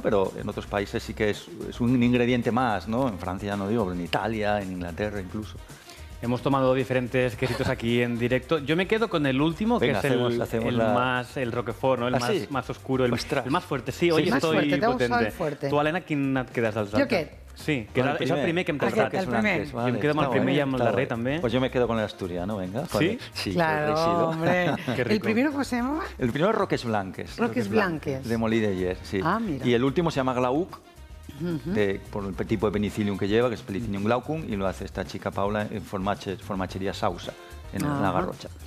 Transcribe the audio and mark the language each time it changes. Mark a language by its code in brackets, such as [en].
[es] Pero en otros países sí que es un ingrediente más, ¿no? En Francia ya no digo, pero en Italia, en Inglaterra incluso. Hemos tomado diferentes quesitos aquí en directo. Yo me quedo con el último, venga, que es hacemos el Roquefort, ¿no? Más oscuro, el más fuerte. Sí, hoy estoy potente. Tu Elena, ¿quién quedas al salto? Yo qué. [ca] Sí, és el primer que hem tastat. El primer. Jo em quedo amb el primer i amb el darrer, també. [es] Pues yo me quedo con el asturiano, venga. Sí? Sí, claro, hombre. ¿El primero cómo se llama? El primero es Roques Blanques. Roques Blanques. De Molí de Ayer, sí. Ah, mira. Y el último se llama Glauc. Por el tipo de penicillium que lleva, que es Penicillium glaucum, y lo hace esta chica Paula en formachería Sausa, en la Garrocha.